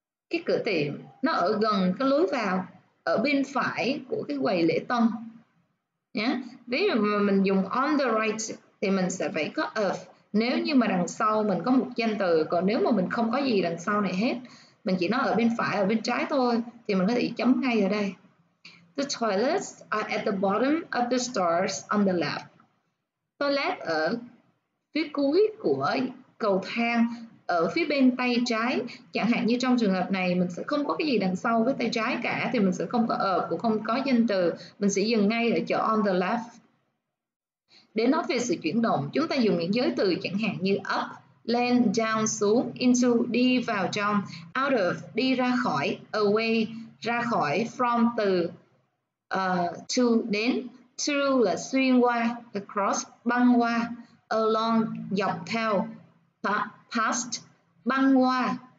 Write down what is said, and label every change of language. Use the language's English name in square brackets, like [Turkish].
[Vietnamese] Cái cửa tiệm nó ở gần cái lối vào, ở bên phải của cái quầy lễ tân. Ví dụ mà mình dùng [English] on the right [Vietnamese] thì mình sẽ phải có of nếu như mà đằng sau mình có một danh từ, còn nếu mà mình không có gì đằng sau này hết, mình chỉ nói ở bên phải, ở bên trái thôi, thì mình có thể chấm ngay ở đây. [English] The toilets are at the bottom of the stairs on the left. [Vietnamese] Toilet ở phía cuối của cầu thang, ở phía bên tay trái. Chẳng hạn như trong trường hợp này mình sẽ không có cái gì đằng sau với tay trái cả, thì mình sẽ không có ở, cũng không có danh từ, mình sẽ dừng ngay ở chỗ [English] on the left. [Vietnamese] Để nói về sự chuyển động, chúng ta dùng những giới từ chẳng hạn như up, lên, down, xuống, into, đi vào trong, out of, đi ra khỏi, away, ra khỏi, from, từ, to, đến, through là xuyên qua, across, băng qua, along, dọc theo, past, băng qua.